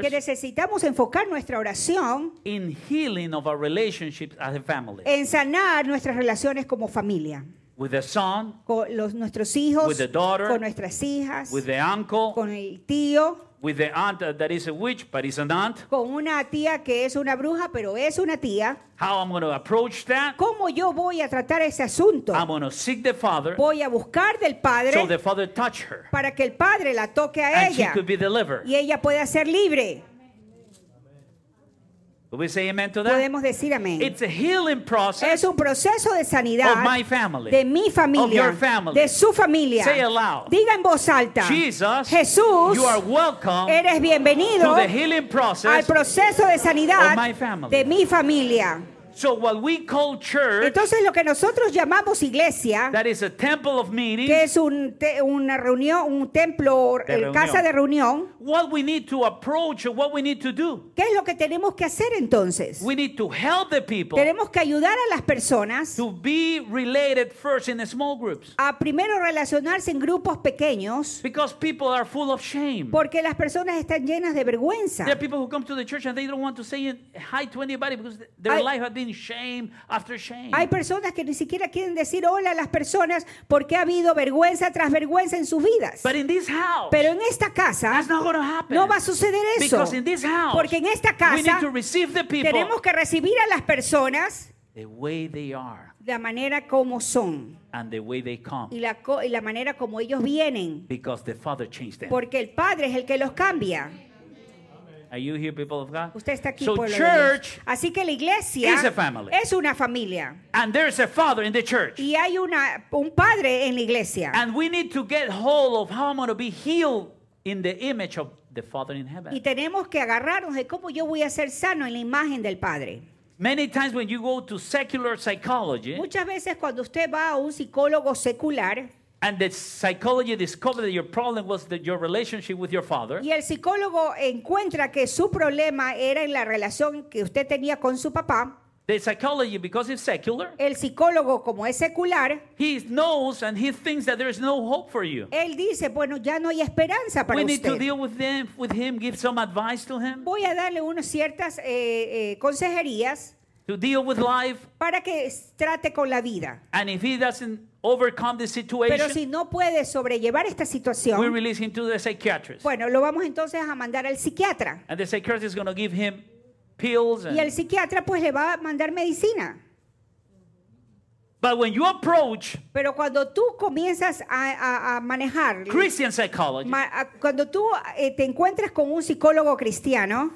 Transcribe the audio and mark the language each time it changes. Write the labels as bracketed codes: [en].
[es] que necesitamos enfocar nuestra oración [en] in healing of our relationships as a family. [es] En sanar nuestras relaciones como familia. [en] With the son, [es] con nuestros hijos, [en] with the daughter, [es] con nuestras hijas, [en] with the uncle, [es] con el tío, [en] with the aunt that is a witch but is an aunt, [es] con una tía que es una bruja pero es una tía. [en] How I'm going to approach that? [es] ¿Cómo yo voy a tratar ese asunto? [en] I'm going to seek the Father. [es] Voy a buscar del Padre. [en] So the Father touch her. [es] Para que el Padre la toque a [en] and [es] ella. [en] She could be delivered. [es] Y ella pueda ser libre. [en] Will we say amen to that? [es] Podemos decir amén. [en] It's a healing process. [es] Es un proceso de sanidad. [en] Of my family. [es] De mi familia. [en] Of your family. [es] De su familia. [en] Say aloud. [es] Diga en voz alta. [en] Jesus. [es] Jesús. [en] You are welcome. [es] Eres bienvenido. [en] To the healing process. [es] Al proceso de sanidad. [en] Of my family. [es] De mi familia. [en] So what we call church. [es] Entonces lo que nosotros llamamos iglesia. [en] That is a temple of meeting. [es] Que es una reunión, un templo, casa de reunión. [en] What we need to approach or what we need to do. [es] ¿Qué es lo que tenemos que hacer entonces? [en] We need to help the people. [es] Tenemos que ayudar a las personas. [en] To be related first in the small groups. [es] A primero relacionarse en grupos pequeños. [en] Because people are full of shame. [es] Porque las personas están llenas de vergüenza. [en] There are people who come to the church and they don't want to say hi to anybody because their life has been shame after shame. [es] Hay personas que ni siquiera quieren decir hola a las personas porque ha habido vergüenza tras vergüenza en sus vidas. [en] But in this house. [es] Pero en esta casa. No va a suceder eso. [en] Because in this house, [es] porque en esta casa [en] we need to receive the people, [es] tenemos que recibir a las personas [en] the way they are, [es] la manera como son [en] and the way they come, [es] y la manera como ellos vienen [en] because the Father changed them. [es] Porque el Padre es el que los cambia. [en] Are you here, people of God? [es] Usted está aquí, [en] so [es] pueblo [en] church [es] de Dios. Así que la iglesia [en] is a family. [es] Es una familia. [en] And there is a father in the church. [es] Y hay un padre en la iglesia. [en] And we need to get hold of how I'm going to be healed in the image of the Father in heaven. [es] Y tenemos que agarrarnos de cómo yo voy a ser sano en la imagen del Padre. [en] Many times when you go to secular psychology, [es] muchas veces cuando usted va a un psicólogo secular, [en] and the psychology discovered that your problem was that your relationship with your father. [es] Y el psicólogo encuentra que su problema era en la relación que usted tenía con su papá. [en] The psychology, because it's secular, [es] el psicólogo, como es secular, [en] he knows and he thinks that there is no hope for you. [es] Él dice, bueno, ya no hay esperanza para [en] we [es] usted. [en] Need to deal with them, with him, give some advice to him. [es] Voy a darle unas ciertas consejerías [en] to deal with life. [es] Para que trate con la vida. [en] And if he doesn't overcome the situation, [es] pero si no puede sobrellevar esta situación, [en] we release him to the psychiatrist. [es] Bueno, lo vamos entonces a mandar al psiquiatra. [en] And the psychiatrist is going to give him pills and [es] y el psiquiatra pues le va a mandar medicina. [en] But when you approach, [es] pero cuando tú comienzas a manejar [en] Christian psychology, [es] cuando tú te encuentras con un psicólogo cristiano